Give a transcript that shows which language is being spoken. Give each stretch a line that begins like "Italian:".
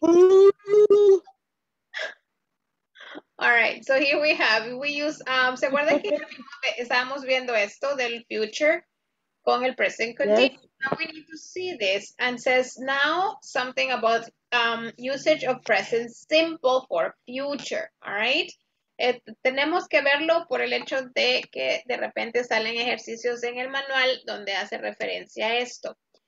English: All right, so here we have, we use,
Spanish: ¿se acuerda que estábamos viendo esto del future con el
English: present continuous? Yes. Now we need to see this, and says now something about usage of present simple for future, all right?
Spanish: Tenemos que verlo por el hecho de que de repente salen ejercicios en el manual donde hace referencia a esto.